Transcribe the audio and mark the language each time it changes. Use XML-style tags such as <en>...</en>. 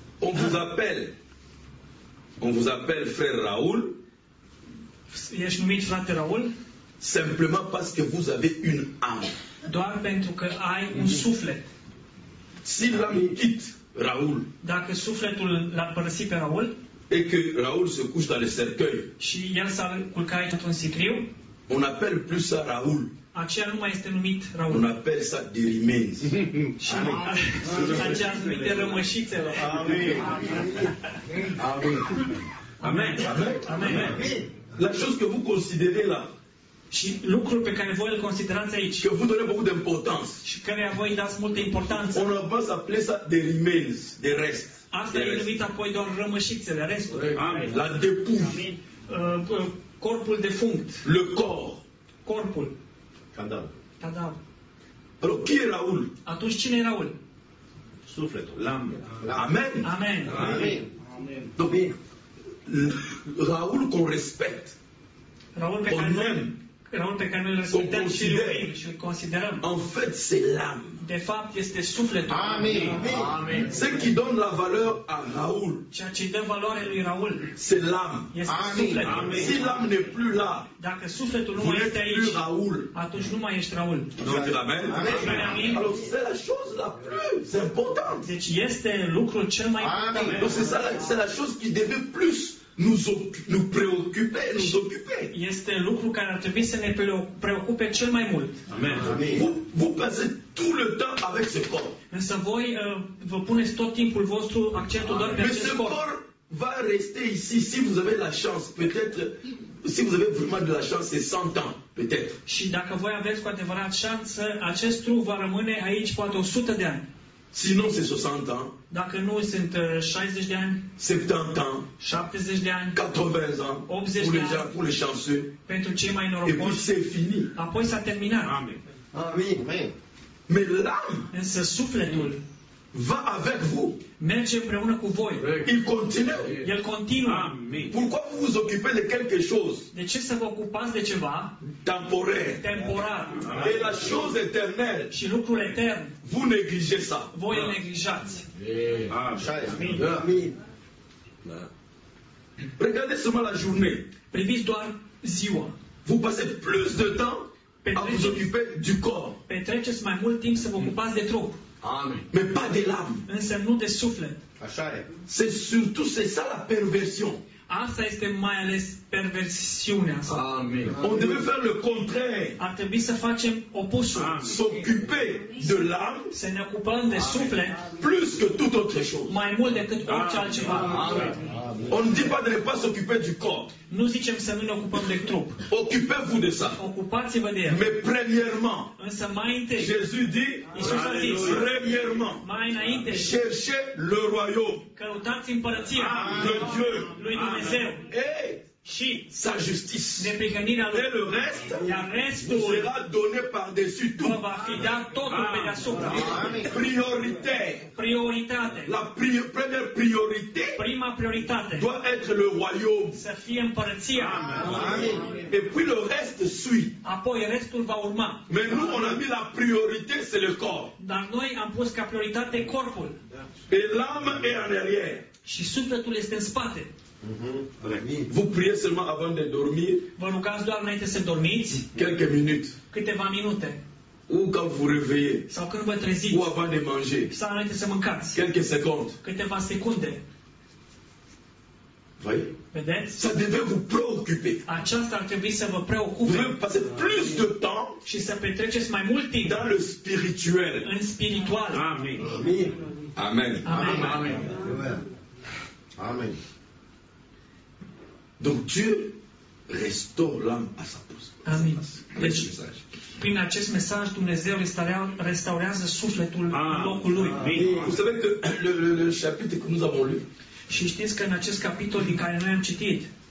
<fr>On vous appelle. On vous appelle frère Raoul.</fr> <ro>Ești numit frate Raoul?</ro> <fr>Simplement parce que vous avez une âme.</fr> <ro>Doar pentru că ai un suflet.</ro> <fr>Si l'âme quitte Raoul.</fr> <ro>Dacă sufletul l-a părăsit pe Raoul?</ro> <fr>Et que Raoul se couche dans le cercueil.</fr> <ro>Și el s-a culcat aici într-un sicriu?</ro> <fr>On appelle plus ça Raoul.</fr> <ro>Aceea nu mai este numit Raoul.</ro> <fr>On appelle ça Dérimène.</fr> <ro>Și aceea se numește rămășițele. Amin. Amin. Amin.</ro> <fr>Amin. La chose que vous considérez là.</fr> <ro>Și lucrul pe care voi îl considerați aici. Că vă dorim</ro> <fr>beaucoup d'importance.</fr> <ro>Și care voi dați multă importanță.</ro> <fr>On va s'appeler ça des remains, des restes.</fr> <ro>Asta e numit apoi doar rămășițele, restul.</ro> <fr>Amen. La dépouille.</fr> <ro>Corpul defunct.</ro> <fr>Le corps.</fr> <ro>Corpul.</ro> <fr>Cadavre.</fr> <ro>Cadavre.</ro> <fr>Alors, qui est Raoul?</fr> <ro>Atunci cine e Raoul? Sufletul,</ro> <fr>l'âme. Amen. Amen. Amen. Donc, Raoul qu'on respecte.</fr> <ro>Raoul pe care noi, Raoul pe care noi îl respectăm și îl considerăm.</ro> <fr>En fait, c'est l'âme.</fr> <ro>De fapt, este sufletul. Amen. Amen.</ro> <fr>Ce qui donne la valeur à Raoul.</fr> <ro>Ceea ce dă valoare lui Raoul.</ro> <fr>C'est l'âme.</fr> <ro>Este sufletul.</ro> <fr>Amen. Si l'âme n'est plus là.</fr> <ro>Dacă sufletul nu mai este aici.</ro> <fr>Plus Raoul.</fr> <ro>Atunci nu mai ești Raoul. Amen. Amen. Amen. Amen.</ro> <fr>Alors, c'est la chose la plus importante.</fr> <ro>Deci este lucrul cel mai important. Amen.</ro> <fr>Donc, c'est la chose qui devait plus nous préoccuper, nous occuper.</fr> <ro>Este lucru care ar trebui să ne preocupe cel mai mult. Amen.</ro> <fr>Vous passez tout le temps avec ce corps.</fr> <ro>Însă voi vă puneți tot timpul vostru accentul doar pe acest corp.</ro> <fr>Mais ce corps va rester ici si vous avez la chance, peut-être si vous avez vraiment de la chance, c'est 100 ans, peut-être.</fr> <ro>Și dacă voi aveți cu adevărat șansă, acest trup va rămâne aici poate 100 de ani.</ro> <fr>Sinon c'est 60 ans.</fr> <ro>Dacă nu sunt 60 de ani.</ro> <fr>70 ans.</fr> <ro>70 de ani.</ro> <fr>80 ans.</fr> <ro>80 de ani.</ro> <fr>Pour les chanceux.</fr> <ro>Pentru cei mai norocoși.</ro> <fr>Et puis c'est fini.</fr> <ro>Apoi s-a terminat. Amen. Amen.</ro> <fr>Mais l'âme.</fr> <ro>Însă sufletul.</ro> <fr>Va avec vous.</fr> <ro>Merge împreună cu voi.</ro> <fr>Il continue.</fr> <ro>El continuă. Amen.</ro> <fr>Pourquoi vous vous occupez de quelque chose?</fr> <ro>De ce să vă ocupați de ceva?</ro> <fr>Temporaire.</fr> <ro>Temporar.</ro> <fr>De la chose éternelle.</fr> <ro>Și lucrul etern.</ro> <fr>Vous négligez ça.</fr> <ro>Voi îl neglijați. Amen.</ro> <fr>Regardez seulement la journée.</fr> <ro>Priviți doar ziua.</ro> <fr>Vous passez plus de temps à vous occuper du corps.</fr> <ro>Petreceți mai mult timp să vă ocupați de trup. Amen.</ro> <fr>Mais pas de l'âme.</fr> <ro>Însă nu de suflet. Așa e.</ro> <fr>C'est surtout c'est ça la perversion.</fr> <ro>Asta este mai ales perversiunea. Amen.</ro> <fr>On devait faire le contraire.</fr> <ro>Ar trebui să facem opusul.</ro> <fr>S'occuper de l'âme.</fr> <ro>Să ne ocupăm de suflet.</ro> <fr>Plus que tout autre chose.</fr> <ro>Mai mult decât orice altceva. Amen.</ro> <fr>On ne dit pas de ne pas s'occuper du corps.</fr> <ro>Nu zicem să nu ne ocupăm de trup.</ro> <fr>Occupez-vous de ça.</fr> <ro>Ocupați-vă de el.</ro> <fr>Mais premièrement.</fr> <ro>Însă mai întâi.</ro> <fr>Jésus dit.</fr> <ro>Iisus a zis.</ro> <fr>Premièrement.</fr> <ro>Mai înainte.</ro> <fr>Cherchez le royaume.</fr> <ro>Căutați împărăția.</ro> <fr>De Dieu.</fr> <ro>Lui Dumnezeu. Și</ro> <fr>sa justice.</fr> <ro>Neprihănirea</ro> <fr>lui. Et le reste.</fr> <ro>Iar restul.</ro> <fr>Vous sera donné par-dessus tout.</fr> <ro>Vă va fi dat totul pe deasupra.</ro> <fr>Priorité.</fr> <ro>Prioritate.</ro> <fr>La première priorité.</fr> <ro>Prima prioritate.</ro> <fr>Doit être le royaume.</fr> <ro>Să fie împărăția.</ro> <fr>Et puis le reste suit.</fr> <ro>Apoi restul va urma.</ro> <fr>Mais nous on a mis la priorité c'est le corps.</fr> <ro>Dar noi am pus ca prioritate corpul.</ro> <fr>Et l'âme est en arrière.</fr> <ro>Și sufletul este în spate.</ro> <fr>Vous priez seulement avant de dormir.</fr> <ro>Vă rugați doar înainte să dormiți.</ro> <fr>Quelques minutes.</fr> <ro>Câteva minute.</ro> <fr>Ou quand vous réveillez.</fr> <ro>Sau când vă treziți.</ro> <fr>Ou avant de manger.</fr> <ro>Sau înainte să mâncați.</ro> <fr>Quelques secondes.</fr> <ro>Câteva secunde.</ro> <fr>Voyez.</fr> <ro>Vedeți?</ro> <fr>Ça devait vous préoccuper.</fr> <ro>Aceasta ar trebui să vă preocupe.</ro> <fr>Vous devez passer plus de temps.</fr> <ro>Și să petreceți mai mult timp.</ro> <fr>Dans le spirituel.</fr> <ro>În spiritual. Amen. Amen. Amen. Amen. Amen.</ro> <fr>Donc Dieu restaure l'âme à sa place. Amin.</fr> <ro>Deci, mesaj. Prin acest mesaj Dumnezeu restaurează sufletul în locul lui.</ro> <fr>Vous savez que le chapitre que nous avons lu.</fr> <ro>Și știți că în acest capitol din care noi am citit.</ro>